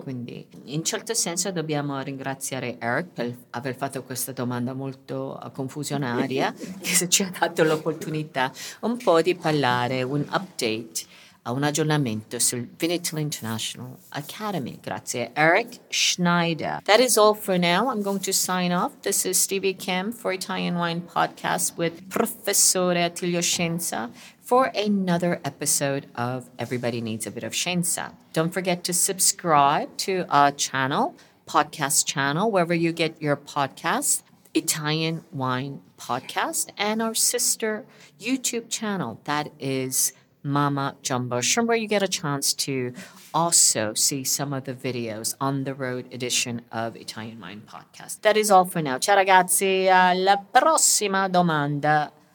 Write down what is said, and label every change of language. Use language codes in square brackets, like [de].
[it] Quindi in certo senso dobbiamo ringraziare Erik per aver fatto questa domanda molto confusionaria che ci ha dato l'opportunità un po' di parlare, un update, un aggiornamento sul Vinitaly International Academy. Grazie [en] Erik Schneider. That is all for now. I'm going to sign off. This is Stevie Kim for Italian Wine Podcast with Professore Attilio Scienza for another episode of Everybody Needs a Bit of Scienza. Don't forget to subscribe to our channel, podcast channel, wherever you get your podcast, Italian Wine Podcast, and our sister YouTube channel, that is Mama Jumbo Shrimp, where you get a chance to also see some of the videos on the road edition of Italian Wine Podcast. That is all for now. [it] Ciao ragazzi, alla prossima domanda.